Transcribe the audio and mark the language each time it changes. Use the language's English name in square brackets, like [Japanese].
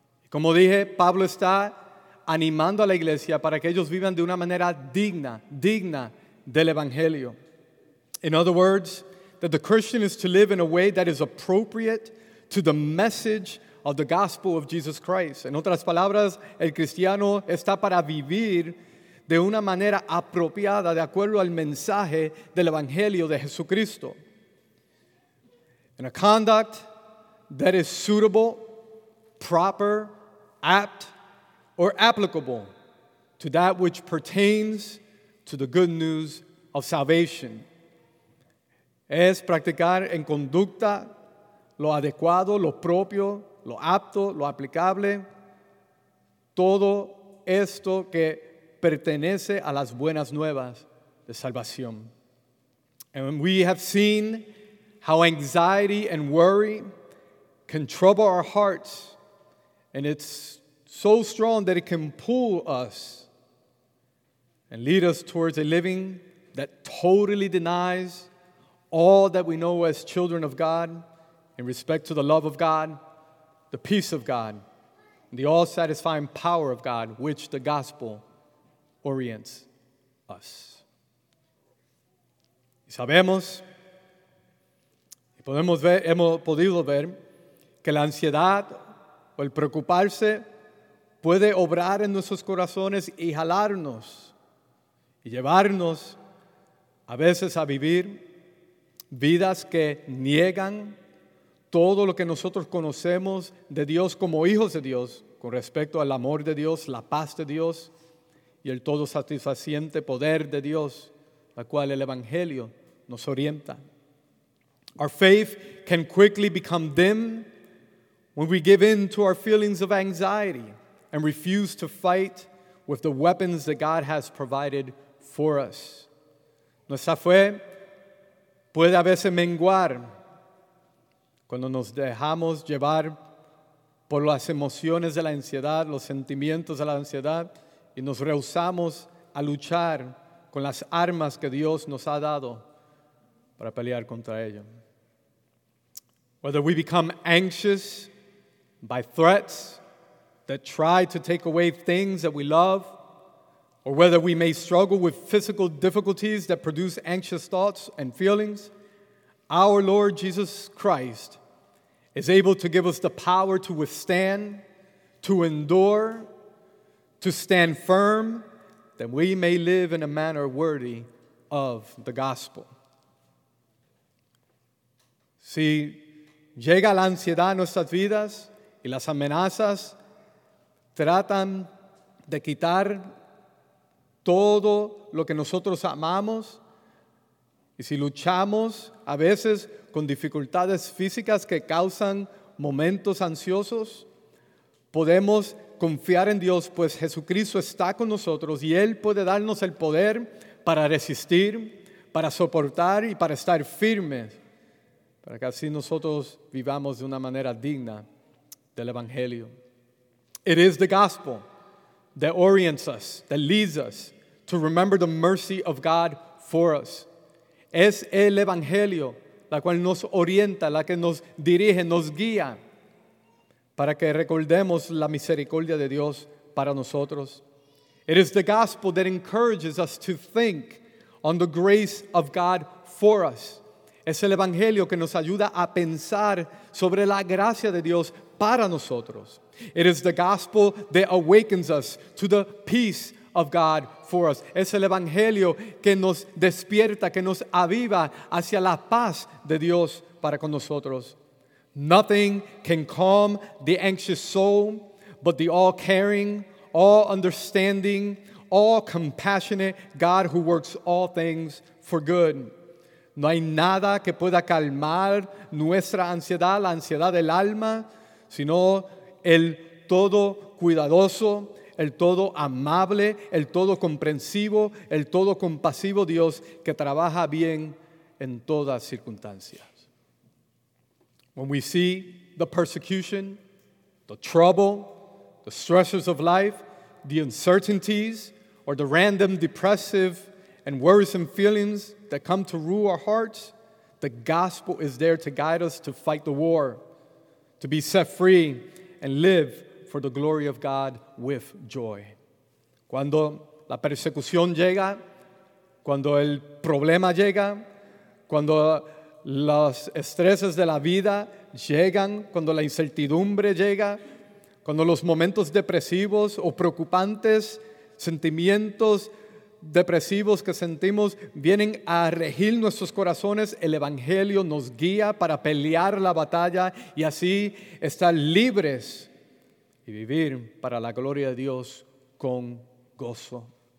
[Spanish] Como dije, Pablo está animando a la iglesia para que ellos vivan de una manera digna, digna del evangelio. [English] In other words, that the Christian is to live in a way that is appropriate to the message of the gospel of Jesus Christ. [Spanish] En otras palabras, el cristiano está para vivir de una manera apropiada de acuerdo al mensaje del evangelio de Jesucristo. [English] In a conduct that is suitable, proper, apt, or applicable to that which pertains to the good news of salvation. [Spanish] Es practicar en conducta lo adecuado, lo propio, lo apto, lo aplicable, todo esto que pertenece a las buenas nuevas de salvación. [English] And we have seen how anxiety and worry can trouble our hearts, and it's so strong that it can pull us and lead us towards a living that totally denies all that we know as children of God in respect to the love of God, the peace of God, and the all-satisfying power of God, which the gospel orients us. [Spanish] Y sabemos, y podemos ver, hemos podido ver, que la ansiedad o el preocuparse puede obrar en nuestros corazones y jalarnos y llevarnos a veces a vivir vidas que niegan todo lo que nosotros conocemos de Dios como hijos de Dios con respecto al amor de Dios, la paz de Dios y el todo satisfaciente poder de Dios, la cual el Evangelio nos orienta. [English] Our faith can quickly become dim when we give in to our feelings of anxiety and refuse to fight with the weapons that God has provided for us. [Spanish] Nuestra fe puede a veces menguar cuando nos dejamos llevar por las emociones de la ansiedad, los sentimientos de la ansiedad, y nos rehusamos a luchar con las armas que Dios nos ha dado para pelear contra ello. [English] Whether we become anxious by threats that try to take away things that we love, or whether we may struggle with physical difficulties that produce anxious thoughts and feelings, our Lord Jesus Christ is able to give us the power to withstand, to endure, to stand firm, that we may live in a manner worthy of the gospel. [Spanish] Si llega la ansiedad a nuestras vidas, y las amenazas tratan de quitar todo lo que nosotros amamos. Y si luchamos a veces con dificultades físicas que causan momentos ansiosos, podemos confiar en Dios, pues Jesucristo está con nosotros y Él puede darnos el poder para resistir, para soportar y para estar firmes, para que así nosotros vivamos de una manera digna del evangelio. [English] It is the gospel that orients us, that leads us to remember the mercy of God for us. [Spanish] Es el evangelio la cual nos orienta, la que nos dirige, nos guía para que recordemos la misericordia de Dios para nosotros. [English] It is the gospel that encourages us to think on the grace of God for us. [Spanish] Es el evangelio que nos ayuda a pensar sobre la gracia de Dios para nosotros. [English] It is the gospel that awakens us to the peace of God for us. [Spanish] Es el evangelio que nos despierta, que nos aviva hacia la paz de Dios para con nosotros. [English] Nothing can calm the anxious soul but the all-caring, all-understanding, all-compassionate God who works all things for good. [Spanish] No hay nada que pueda calmar nuestra ansiedad, la ansiedad del alma, sino el todo cuidadoso, el todo amable, el todo comprensivo, el todo compasivo Dios que trabaja bien en todas circunstancias. [English] When we see the persecution, the trouble, the stresses of life, the uncertainties, or the random depressive and worrisome feelings that come to rule our hearts, the gospel is there to guide us to fight the war, to be set free and live for the glory of God with joy. [Spanish] Cuando la persecución llega, cuando el problema llega, cuando los estreses de la vida llegan, cuando la incertidumbre llega, cuando los momentos depresivos o preocupantes, sentimientos depresivos que sentimos vienen a regir nuestros corazones, el Evangelio nos guía para pelear la batalla y así estar libres y vivir para la gloria de Dios con gozo.